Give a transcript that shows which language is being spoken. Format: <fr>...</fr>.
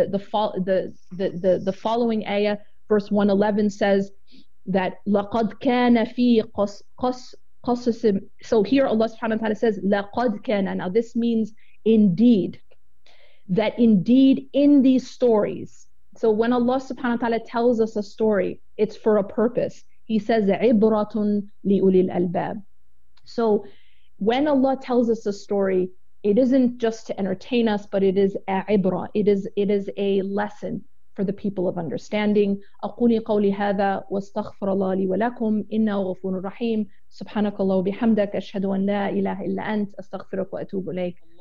<en>That the following ayah, verse 111, says that</en> <ar>لَقَدْ كَانَ فِي قَصَصٍ.</ar> <en>So here Allah subhanahu wa ta'ala says</en> <ar>لَقَدْ كَانَ.</ar> <en>Now this means indeed, that indeed in these stories. So when Allah subhanahu wa ta'ala tells us a story, it's for a purpose. He says</en> <ar>عِبْرَةٌ لِأُولِي الْأَلْبَابِ.</ar> <en>So when Allah tells us a story, it isn't just to entertain us, but it is a ibra. It is a lesson for the people of understanding.</en> <ar>أقولي قولي هذا واستغفر الله لي ولكم إنه غفور رحيم سبحانك الله وبحمدك أشهد أن لا إله إلا أنت أستغفرك وأتوب إليك.</ar>